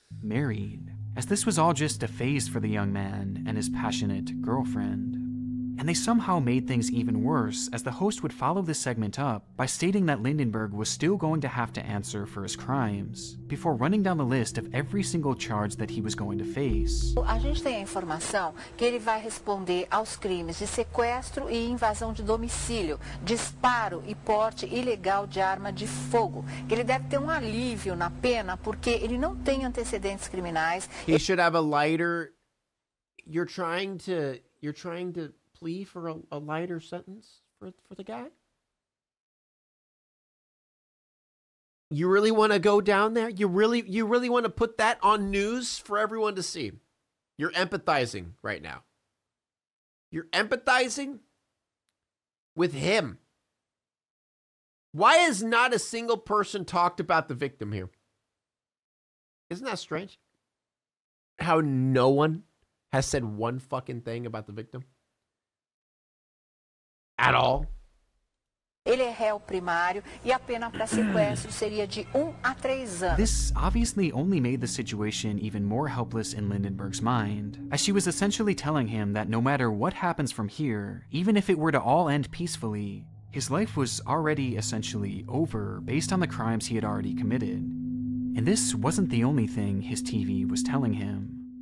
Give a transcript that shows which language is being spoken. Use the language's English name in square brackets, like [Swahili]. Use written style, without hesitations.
[English] married, as this was all just a phase for the young man and his passionate girlfriend. And they somehow made things even worse as the host would follow this segment up by stating that Lindenberg was still going to have to answer for his crimes before running down the list of every single charge that he was going to face. [Portuguese] A gente tem a informação que ele vai responder aos crimes de sequestro e invasão de domicílio, disparo e porte ilegal de arma de fogo. Ele deve ter um alívio na pena porque ele não tem antecedentes criminais. [English] He should have a lighter... You're trying to... plea for a lighter sentence for the guy? You really want to go down there? You really want to put that on news for everyone to see? You're empathizing right now. You're empathizing with him. Why has not a single person talked about the victim here? Isn't that strange? How no one has said one fucking thing about the victim? At all. [Portuguese] Ele é réu primário e a pena para sequestro seria de 1 a 3 anos. [English] This obviously only made the situation even more helpless in Lindenberg's mind, as she was essentially telling him that no matter what happens from here, even if it were to all end peacefully, His life was already essentially over based on the crimes he had already committed. And this wasn't the only thing his TV was telling him.